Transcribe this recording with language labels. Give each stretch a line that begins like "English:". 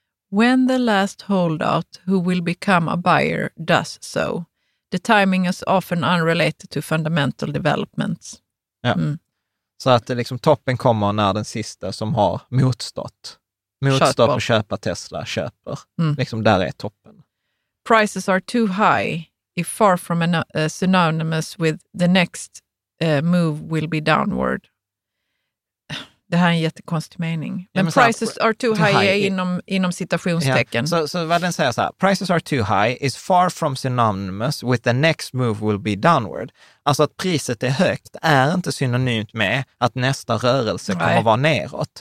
English: When the last holdout who will become a buyer does so. The timing is often unrelated to fundamental developments.
Swedish: Ja. Mm. Så att det liksom, toppen kommer när den sista som har motstått att köpa Tesla köper. Mm. Liksom där är toppen.
English: Prices are too high, if far from synonymous with the next move will be downward.
Swedish: Det här är en jättekonstig mening. Men ja,
English: prices are too high
Swedish: inom citationstecken. Ja. Så vad den säger så här,
English: prices are too high is far from synonymous with the next move will be downward.
Swedish: Alltså att priset är högt är inte synonymt med att nästa rörelse kommer att vara neråt.